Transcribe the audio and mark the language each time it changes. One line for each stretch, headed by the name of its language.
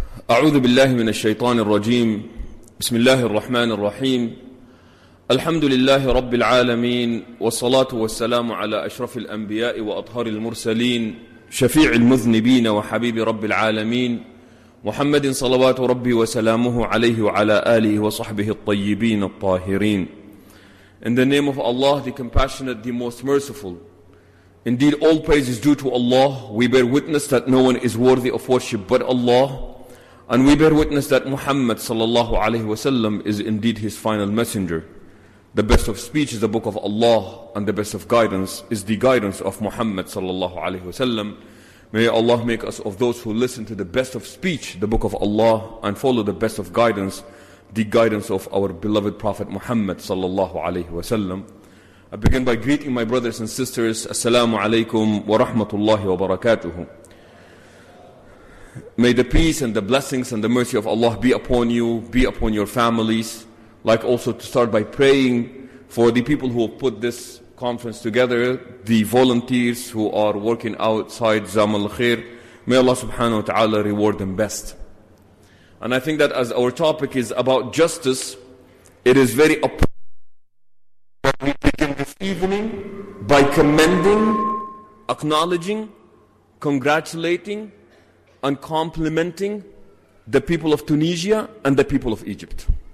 Arabic: أعوذ بالله من الشيطان الرجيم بسم الله الرحمن الرحيم الحمد لله رب العالمين والصلاة والسلام على أشرف الأنبياء وأطهر المرسلين شفيع المذنبين وحبيب رب العالمين محمد صلوات ربي وسلامه عليه وعلى آله وصحبه الطيبين الطاهرين.
English: In the name of Allah, the compassionate, the most merciful. Indeed, all praise is due to Allah. We bear witness that no one is worthy of worship but Allah. And we bear witness that Muhammad sallallahu alayhi wa sallam is indeed his final messenger. The best of speech is the book of Allah, and the best of guidance is the guidance of Muhammad sallallahu alayhi wa sallam. May Allah make us of those who listen to the best of speech, the book of Allah, and follow the best of guidance, the guidance of our beloved Prophet Muhammad sallallahu alayhi wa sallam. I begin by greeting my brothers and sisters.
Arabic: Assalamu alaikum wa rahmatullahi wa barakatuhu.
English: May the peace and the blessings and the mercy of Allah be upon you, be upon your families. Like also to start by praying for the people who have put this conference together, the volunteers who are working outside Zamal Khair. May Allah subhanahu wa ta'ala reward them best. And I think that as our topic is about justice, it is very appropriate that we begin this evening by commending, acknowledging, congratulating, and complimenting the people of Tunisia and the people of Egypt.